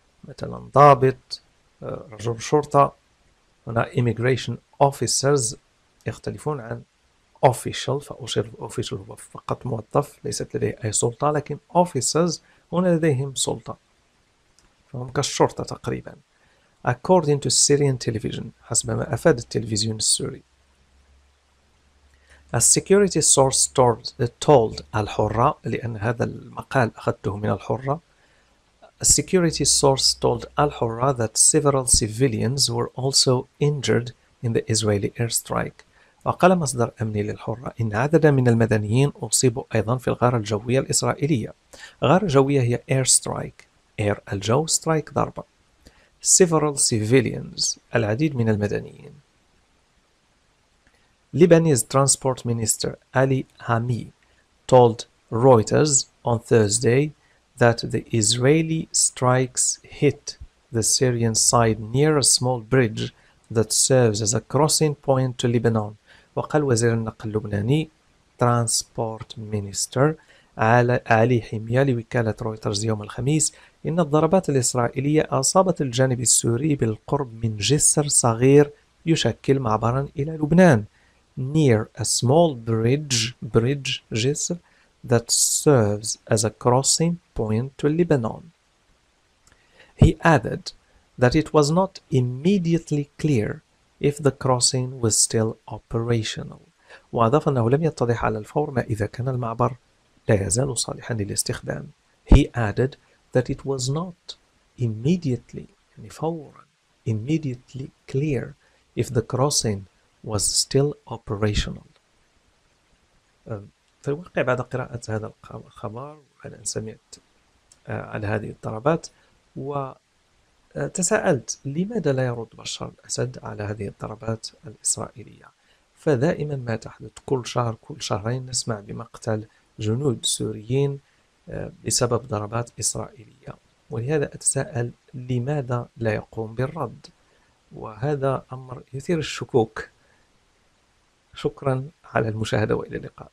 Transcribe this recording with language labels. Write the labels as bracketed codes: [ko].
[ar] مثلا ضابط. رجل شرطة. هنا [en] immigration officers [ar] يختلفون عن official, فأشير official هو فقط موظف ليست لديه أي سلطة, لكن officers هنا لديهم سلطة فهم كالشرطة تقريبا. [en] According to Syrian television, [ar] حسب ما أفاد التلفزيون السوري. [en] A security source told الحرة, [ar] لأن هذا المقال أخذته من الحرة. [en] A security source told Al Hurra that several civilians were also injured in the Israeli airstrike. [ar] وقال مصدر أمني للحرة إن عددا من المدنيين أصيبوا أيضا في الغارة الجوية الإسرائيلية. غارة جوية هي airstrike. Air الجو, strike ضربة. [en] Several civilians, [ar] العديد من المدنيين. [en] Lebanese Transport Minister Ali Hami told Reuters on Thursday that the Israeli strikes hit the Syrian side near a small bridge that serves as a crossing point to Lebanon. [ar] وقال وزير النقل اللبناني [en] Transport Minister [ar] علي حمية لوكالة رويترز يوم الخميس إن الضربات الإسرائيلية أصابت الجانب السوري بالقرب من جسر صغير يشكل معبرا إلى لبنان. [en] Near a small bridge جسر that serves as a crossing point to Lebanon. He added that it was not immediately clear if the crossing was still operational. [ar] وأضاف أنه لم يتضح على الفور ما إذا كان المعبر لا يزال صالحا للاستخدام. [en] He added that it was not immediately, [ar] يعني فورا, [en] immediately clear if the crossing was still operational. [ar] في الواقع بعد قراءة هذا الخبر وبعد أن سمعت على هذه الضربات وتساءلت لماذا لا يرد بشار الأسد على هذه الضربات الإسرائيلية؟ فدائما ما تحدث كل شهر كل شهرين نسمع بمقتل جنود سوريين بسبب ضربات إسرائيلية, ولهذا أتساءل لماذا لا يقوم بالرد, وهذا أمر يثير الشكوك. شكرا على المشاهدة وإلى اللقاء.